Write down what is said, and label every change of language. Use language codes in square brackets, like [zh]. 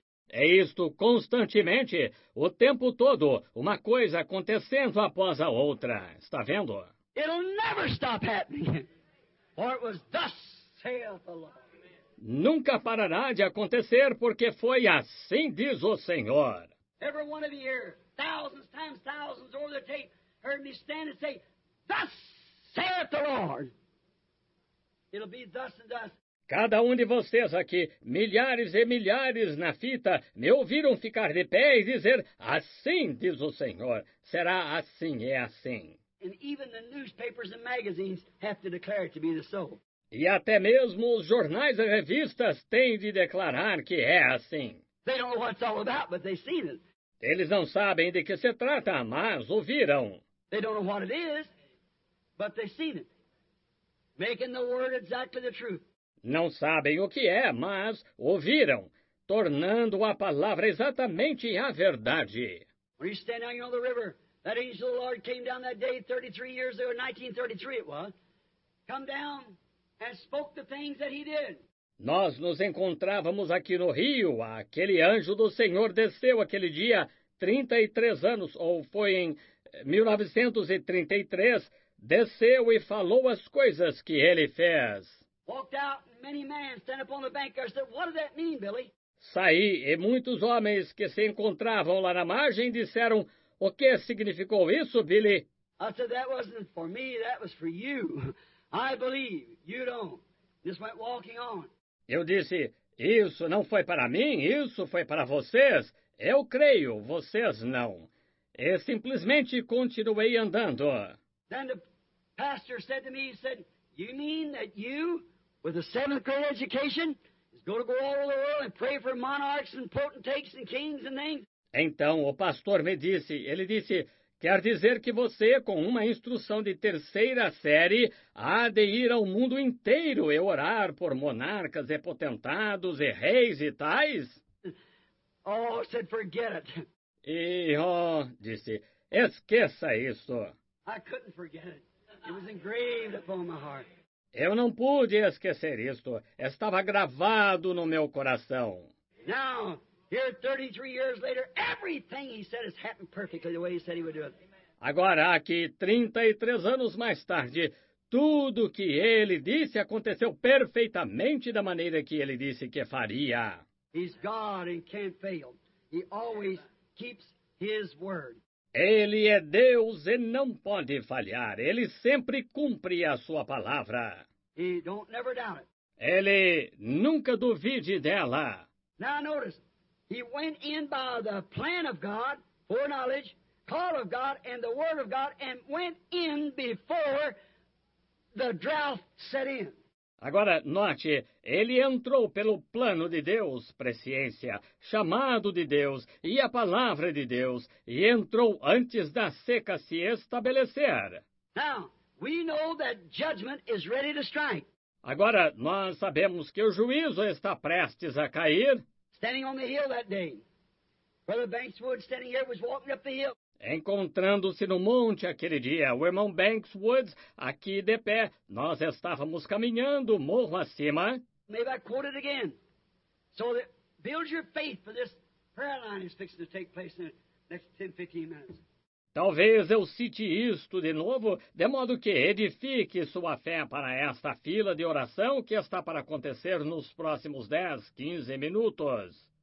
[pt] É isto constantemente, o tempo todo, uma coisa acontecendo após a outra. Está vendo? [en] It'll never stop happening. For it was thus saith the Lord. [pt] Nunca parará de acontecer, porque foi assim, diz o Senhor. [en] Every one of you here, thousands times thousands over the tape, heard me stand and say, thus saith the Lord. It'll be thus and thus. [pt] Cada um de vocês aqui, milhares e milhares na fita, me ouviram ficar de pé e dizer, assim, diz o Senhor. Será assim, é assim. [en] And even the newspapers and magazines have to declare it to be the so. [pt] E até mesmo os jornais e revistas têm de declarar que é assim. [en] They don't know what it's all about, but they've seen it. [pt] Eles não sabem de que se trata, mas ouviram. [en] They don't know what it is, but they've seen it. Making the word exactly the truth. [pt] Não sabem o que é, mas ouviram, tornando a palavra exatamente a verdade. [en] When you stand out on the river, that angel of the Lord came down that day 33 years ago, 1933 it was. Come down and spoke the things that he did. [pt] Nós nos encontrávamos aqui no Rio. Aquele anjo do Senhor desceu aquele dia 33 anos, ou foi em 1933, desceu e falou as coisas que ele fez. [en] Walked out and many men stand up on the bank and said, what does that mean, Billy? [pt] Saí e muitos homens que se encontravam lá na margem disseram, o que significou isso, Billy? [en] I said, that wasn't for me, that was for you. I believe, you don't. Just went walking on. [pt] Eu disse, isso não foi para mim, isso foi para vocês. Eu creio, vocês não. E simplesmente continuei andando. [en] Then the pastor said to me, he said, you mean that you, with a seventh grade education, is going to go all over the world and pray for monarchs and potentates and kings and things? [pt] Então o pastor me disse, ele disse, quer dizer que você, com uma instrução de terceira série, há de ir ao mundo inteiro e orar por monarcas e potentados e reis e tais? [en] Oh, said, forget it. [pt] E, oh, disse, esqueça isso. [en] I couldn't forget it. It was engraved upon my heart. [pt] Eu não pude esquecer isto. Estava gravado no meu coração. [en] Now, here, 33 years later, everything he said has happened perfectly the way he said he would do it. [pt] Agora, aqui, 33 anos mais tarde, tudo que ele disse aconteceu perfeitamente da maneira que ele disse que faria. [en] He's God and can't fail. He always keeps his word. [pt] Ele é Deus e não pode falhar. Ele sempre cumpre a sua palavra. [en] He don't never doubt it. [pt] Ele nunca duvide dela. [en] Now, notice. He went in by the plan of God, foreknowledge, call of God, and the word of God, and went in before the drought set in. [pt] Agora, note, ele entrou pelo plano de Deus, presciência, chamado de Deus e a palavra de Deus, e entrou antes da seca se estabelecer. [en] Now, we know that judgment is ready to strike. [pt] Agora, nós sabemos que o juízo está prestes a cair. [en] Standing on the hill that day. Brother Banks Wood standing here was walking up the hill. [pt] Encontrando-se no monte aquele dia, o irmão Banks Woods, aqui de pé, nós estávamos caminhando morro acima. [en] Maybe I quote it again. So that build your faith for this prayer line is fixing to take place in the next 10, 15 minutes. [pt] Talvez eu cite isto de novo, de modo que edifique sua fé para esta fila de oração que está para acontecer nos próximos 10, 15 minutos.